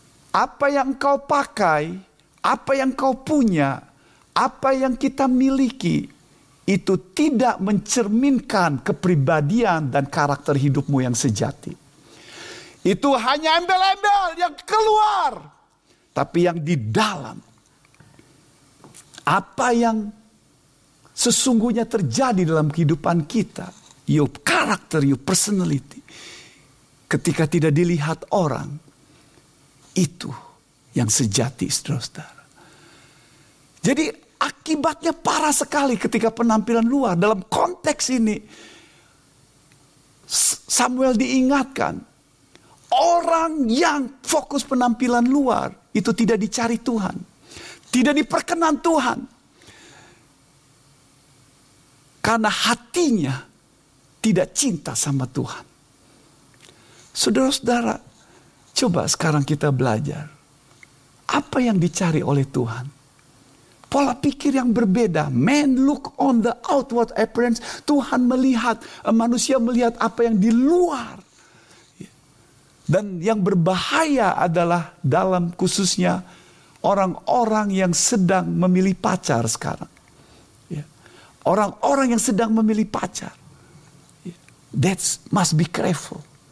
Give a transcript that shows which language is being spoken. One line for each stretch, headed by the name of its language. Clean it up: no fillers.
Indonesian: Apa yang kau pakai, apa yang kau punya, apa yang kita miliki itu tidak mencerminkan kepribadian dan karakter hidupmu yang sejati. Itu hanya embel-embel yang keluar. Tapi yang di dalam. Apa yang sesungguhnya terjadi dalam kehidupan kita.
English: Your character, your personality.
Indonesian: Ketika tidak dilihat orang. Itu yang sejati, saudara-saudara. Jadi akibatnya parah sekali ketika penampilan luar. Dalam konteks ini, Samuel diingatkan, orang yang fokus penampilan luar itu tidak dicari Tuhan, tidak diperkenan Tuhan, karena hatinya tidak cinta sama Tuhan. Saudara-saudara, coba sekarang kita belajar apa yang dicari oleh Tuhan. Pola pikir yang berbeda.
English: Man look on the outward appearance.
Indonesian: Tuhan melihat, manusia melihat apa yang di luar. Dan yang berbahaya adalah dalam khususnya orang-orang yang sedang memilih pacar sekarang. Orang-orang yang sedang memilih pacar.
English: That must be careful.